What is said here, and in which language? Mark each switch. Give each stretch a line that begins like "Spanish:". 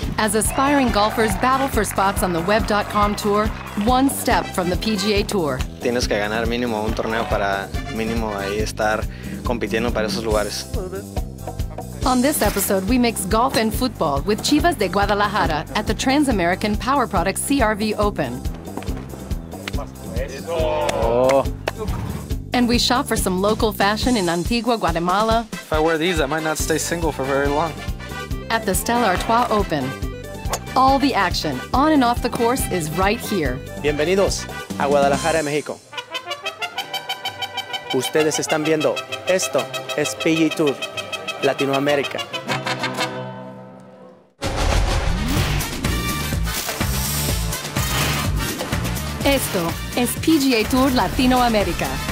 English: As aspiring golfers battle for spots on the web.com tour, one step from the PGA Tour.
Spanish: Tienes que ganar mínimo un torneo para mínimo ahí estar compitiendo para esos lugares.
English: On this episode, we mix golf and football with Chivas de Guadalajara at the Transamerican Power Products CRV Open. And we shop for some local fashion in Antigua, Guatemala. If I wear these, I might not stay single for very long. At the Stella Artois Open. All the action, on and off the course, is right here.
Spanish: Bienvenidos a Guadalajara, México. Ustedes están viendo, esto es PGA Tour Latinoamérica. Esto es PGA Tour Latinoamérica.